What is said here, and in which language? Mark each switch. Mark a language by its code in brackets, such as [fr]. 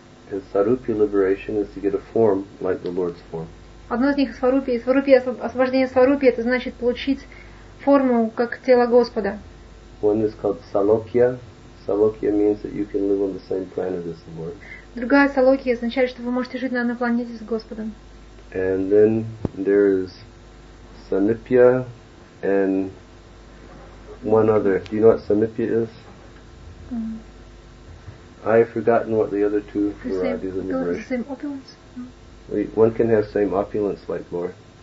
[en] And Sarupya liberation is to get a form like the Lord's form. [ru] Одно из них Сварупья. Освобождение Сварупья — это значит получить форму, как тело Господа. [en] One is called Salokya. Salokya means that you can live on the same planet as the Lord. [ru] Другая Салокия означает, что вы можете жить на одной планете с Господом. [en] And then there is Samipya and one other. Do you know what Samipya is? I've forgotten what the other two varieties of liberation. Same opulence? Mm. One can have same opulence like Lord.